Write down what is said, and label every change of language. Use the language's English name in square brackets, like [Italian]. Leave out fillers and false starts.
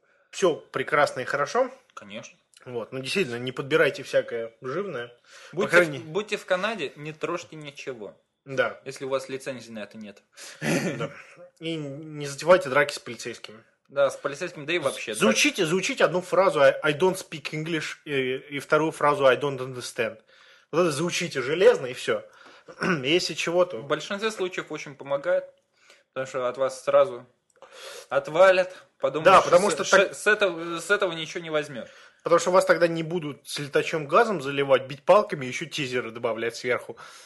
[Russian] Все прекрасно и хорошо. Конечно. Вот, ну действительно, не подбирайте всякое живное. Будьте в Канаде, не трожьте ничего. Да. Если у вас лицензии на это нет. Да. И не затевайте драки с полицейскими. Да, с полицейским, да и вообще. Заучите, так... заучите одну фразу [English] «I don't speak English» [Russian] и вторую фразу [English] «I don't understand». [Russian] Вот это заучите железно, и все. Если чего, то... В большинстве случаев очень помогает, потому что от вас сразу отвалят. Подумают, да, потому что так... С этого ничего не возьмешь. Потому что вас тогда не будут с летачьим газом заливать, бить палками и еще тизеры добавлять сверху.